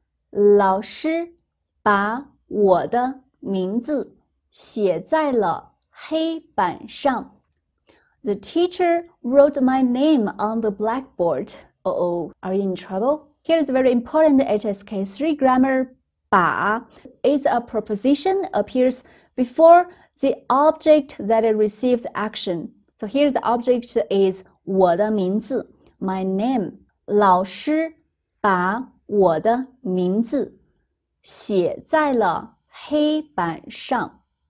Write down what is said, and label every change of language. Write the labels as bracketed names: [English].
[Chinese] 老师把我的名字写在了黑板上。 [English] The teacher wrote my name on the blackboard. Uh-oh, are you in trouble? Here's a very important HSK3 grammar. 把 is a preposition, appears before the object that it receives action. So here the object is [Chinese] 我的名字。 [English] My name, [Chinese] 老师把我的名字写在了黑板上。